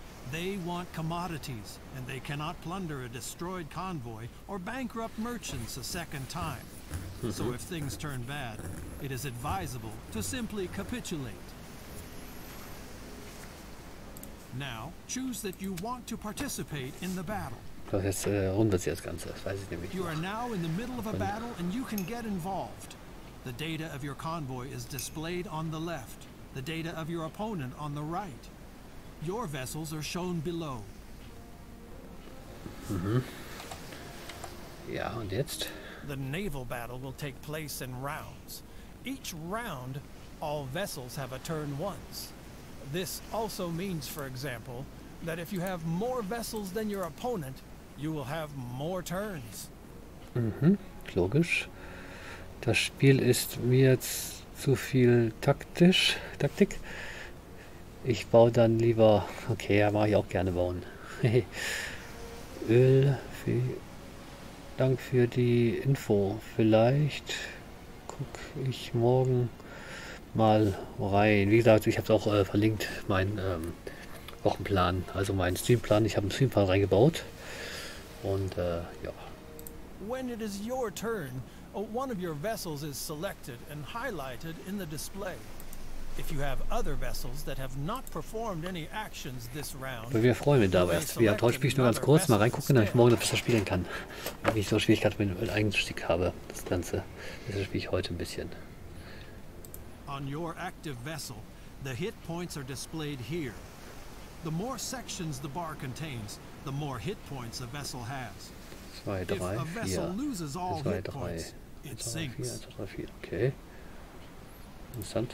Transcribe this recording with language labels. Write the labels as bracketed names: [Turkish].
[English] They want commodities, and they cannot plunder a destroyed convoy or bankrupt merchants a second time. So if things turn bad, it is advisable to simply capitulate. Now, choose that you want to participate in the battle. [German] Doch jetzt rund wird sich das Ganze, das weiß ich nämlich [English] you are now in the middle of a battle and you can get involved. The data of your convoy is displayed on the left, the data of your opponent on the right. Your vessels are shown below. [German] Mhm. Ja, und jetzt? [English] The naval battle will take place in rounds. Each round, all vessels have a turn once. This also means, for example, that if you have more vessels than your opponent, you will have more turns. [German] Mhm, logisch. Das Spiel ist mir jetzt zu viel Taktik. Ich baue dann lieber. Okay, ja, mache ich auch gerne bauen. Öl, viel Dank für die Info. Vielleicht guck ich morgen mal rein. Wie gesagt, ich habe es auch verlinkt, meinen Wochenplan, also meinen Streamplan. Ich habe einen Streamplan reingebaut. Und ja. [English] When it is your turn, one of your vessels is selected and highlighted in the display. If you have other vessels that have not performed any actions this round, [German] wir freuen uns dabei. Wir haben heute Spiel nur ganz kurz mal reingucken, damit ich morgen noch besser spielen kann. Wenn ich so Schwierigkeiten mit dem Eigenstieg habe, das Ganze. Deshalb spiele ich heute ein bisschen. [English] On your active vessel, the hit points are displayed here. The more sections the bar contains, the more hit points a vessel has. [German] 2, 3, 4, 2, 3, 4, okay. Interessant.